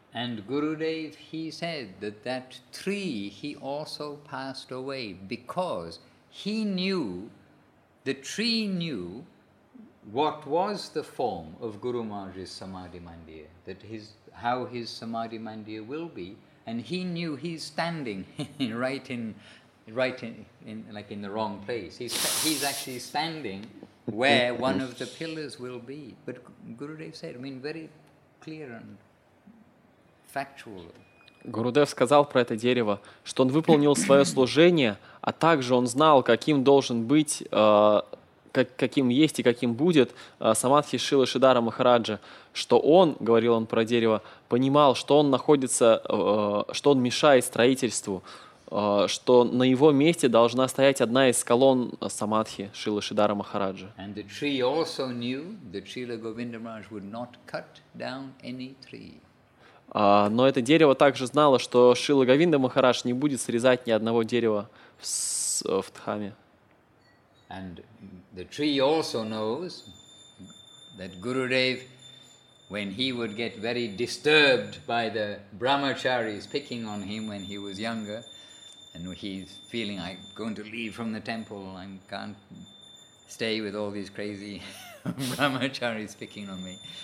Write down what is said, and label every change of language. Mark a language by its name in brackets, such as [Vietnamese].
[English] And Gurudev, he said that that tree, he also passed away because he knew, the tree knew what was the form of Guru Maharaj's Samadhi Mandir, that his, how his Samadhi Mandir will be, and he knew he's standing right in like in the wrong place. He's actually standing where one of the pillars will be. But Gurudev said, I mean, very clear and [Russian] Гурудев сказал про это дерево, что он выполнил свое служение, а также он знал, каким должен быть, каким есть и каким будет Самадхи Шрилы Шридхара Махараджа, что он, говорил он про дерево, понимал, что он находится, что он мешает строительству, что на его месте должна стоять одна из колонн Самадхи Шрилы Шридхара Махараджа. [English] And the tree also knew that Srila Govinda Maharaj would not cut down any tree. [Russian] Но это дерево также знало, что Шрила Говинда Махарадж не будет срезать ни одного дерева в Дхаме. [English] And the tree also knows that Gurudev, when he would get very disturbed by the brahmacharis picking on him when he was younger, and he's feeling, I'm going to leave from the temple, I can't stay with all these crazy brahmacharis picking on me.